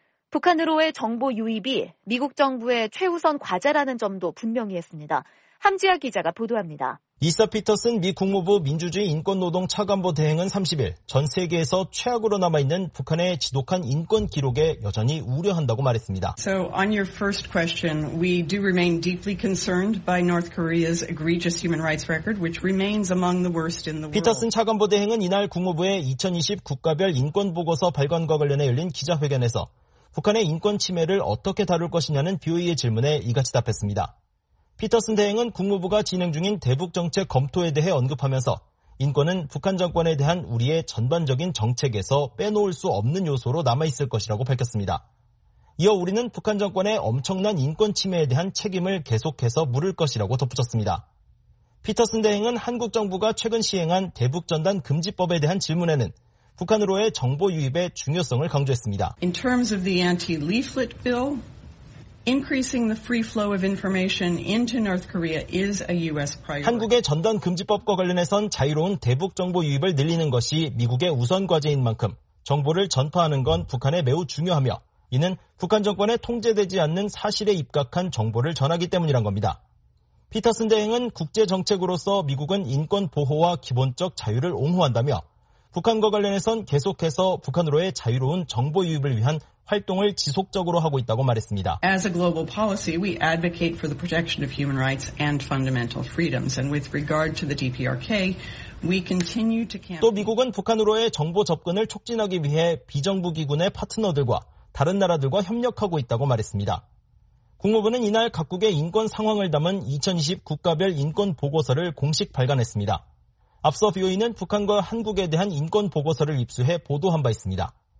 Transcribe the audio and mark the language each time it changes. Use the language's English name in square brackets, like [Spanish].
[Korean] 북한으로의 정보 유입이 미국 정부의 최우선 과제라는 점도 분명히 했습니다. 함지아 기자가 보도합니다. 리사 피터슨 미 국무부 민주주의 인권노동 차관보 대행은 30일 전 세계에서 최악으로 남아있는 북한의 지독한 인권 기록에 여전히 우려한다고 말했습니다. [English] So on your first question, we do remain deeply concerned by North Korea's egregious human rights record, which remains among the worst in the world. [Korean] 피터슨 차관보 대행은 이날 국무부의 2020 국가별 인권 보고서 발간과 관련해 열린 기자회견에서 북한의 인권 침해를 어떻게 다룰 것이냐는 BOE의 질문에 이같이 답했습니다. 피터슨 대행은 국무부가 진행 중인 대북 정책 검토에 대해 언급하면서 인권은 북한 정권에 대한 우리의 전반적인 정책에서 빼놓을 수 없는 요소로 남아있을 것이라고 밝혔습니다. 이어 우리는 북한 정권의 엄청난 인권 침해에 대한 책임을 계속해서 물을 것이라고 덧붙였습니다. 피터슨 대행은 한국 정부가 최근 시행한 대북 전단 금지법에 대한 질문에는 북한으로의 정보 유입의 중요성을 강조했습니다. [English] In terms of the anti-leaflet bill, increasing the free flow of information into North Korea is a U.S. priority. [Korean] 한국의 전단 금지법과 관련해선 자유로운 대북 정보 유입을 늘리는 것이 미국의 우선 과제인 만큼 정보를 전파하는 건 북한에 매우 중요하며 이는 북한 정권에 통제되지 않는 사실에 입각한 정보를 전하기 때문이란 겁니다. 피터슨 대행은 국제 정책으로서 미국은 인권 보호와 기본적 자유를 옹호한다며 북한과 관련해선 계속해서 북한으로의 자유로운 정보 유입을 위한 활동을 지속적으로 하고 있다고 말했습니다. [English] As a global policy, we advocate for the protection of human rights and fundamental freedoms. And with regard to the DPRK, we continue to campaign. [Korean] 또 미국은 북한으로의 정보 접근을 촉진하기 위해 비정부기구의 파트너들과 다른 나라들과 협력하고 있다고 말했습니다. 국무부는 이날 각국의 인권 상황을 담은 2020 국가별 인권 보고서를 공식 발간했습니다. 앞서 BOE는 북한과 한국에 대한 인권 보고서를 입수해 보도한 바 있습니다.